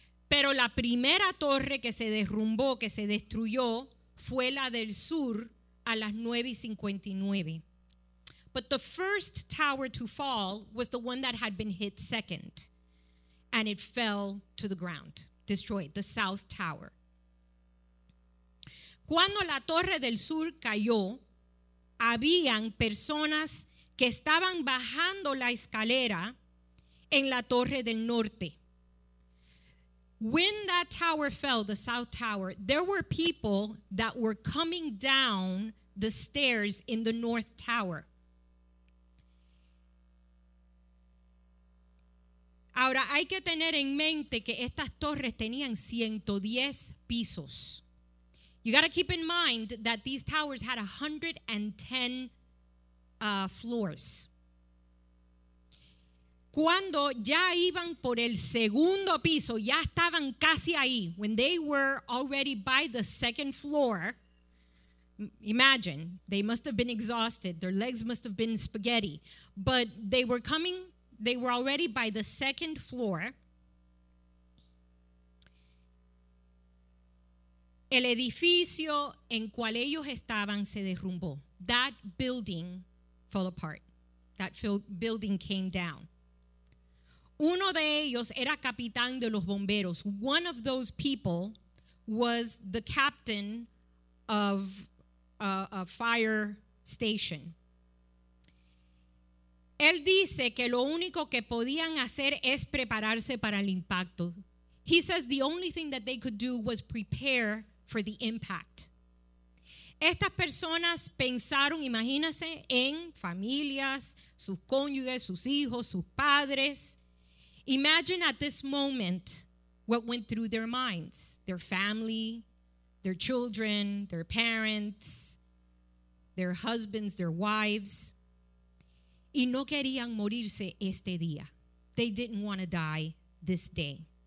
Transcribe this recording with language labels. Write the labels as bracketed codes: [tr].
[es] Pero la primera torre que se derrumbó, que se destruyó, fue la del sur a las 9:59. [en] But the first tower to fall was the one that had been hit second. And it fell to the ground, destroyed, the south tower. [es] Cuando la torre del sur cayó, habían personas que estaban bajando la escalera en la torre del norte. [en] When that tower fell, the south tower, there were people that were coming down the stairs in the north tower. [es] Ahora, hay que tener en mente que estas torres tenían 110 pisos. [en] You got to keep in mind that these towers had 110 floors. [es] Cuando ya iban por el segundo piso, ya estaban casi ahí. [en] When they were already by the second floor, imagine, they must have been exhausted. Their legs must have been spaghetti. But they were coming, they were already by the second floor. [es] El edificio en cual ellos estaban se derrumbó. [en] That building fell apart. That building came down. [es] Uno de ellos era capitán de los bomberos. [en] One of those people was the captain of a fire station. [es] Él dice que lo único que podían hacer es prepararse para el impacto. [en] He says the only thing that they could do was prepare for the impact. [es] Estas personas pensaron, imagínense, en familias, sus cónyuges, sus hijos, sus padres. [en] Imagine at this moment what went through their minds, their family, their children, their parents, their husbands, their wives. [es] Y no querían morirse este día. [en] They didn't want to die this day.